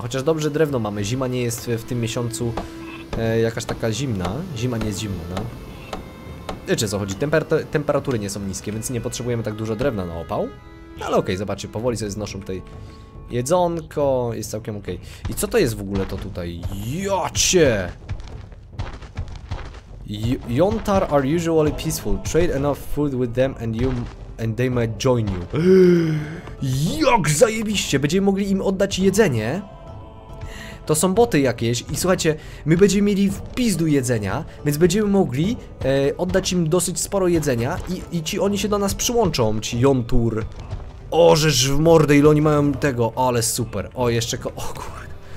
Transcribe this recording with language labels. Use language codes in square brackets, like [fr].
[pl] Chociaż dobrze drewno mamy. Zima nie jest w tym miesiącu jakaś taka zimna. Zima nie jest zimna, no. Wiecie, co chodzi. Temperatury nie są niskie, więc nie potrzebujemy tak dużo drewna na opał. Ale okej, zobaczcie, powoli sobie znoszą tutaj jedzonko, jest całkiem okej. I co to jest w ogóle to tutaj? Jocie! [en] Yontar are usually peaceful. Trade enough food with them and you and they might join you. [pl] Jak zajebiście! Będziemy mogli im oddać jedzenie. To są boty jakieś i słuchajcie, my będziemy mieli w pizdu jedzenia, więc będziemy mogli oddać im dosyć sporo jedzenia i ci oni się do nas przyłączą, ci Yontur. O, żeż w mordę, ile oni mają tego, ale super. O, jeszcze o kurde.